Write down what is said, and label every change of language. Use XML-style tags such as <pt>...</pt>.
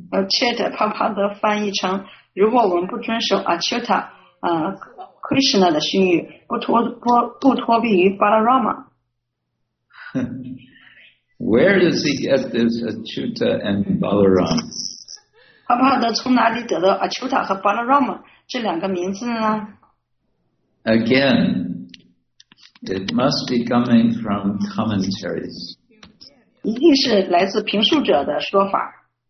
<zh>Chet 啪啪的翻译成如果我们不遵守 Achyuta Krishna 的训谕不脱避于 Balarama</zh> <en>Where does he get this Achyuta and Balaram?</en> <zh>啪啪的从哪里得到 Achyuta 和 Balarama 这两个名字呢</zh> <en>Again it must be coming from commentaries</en> <zh>一定是来自评述者的说法</zh>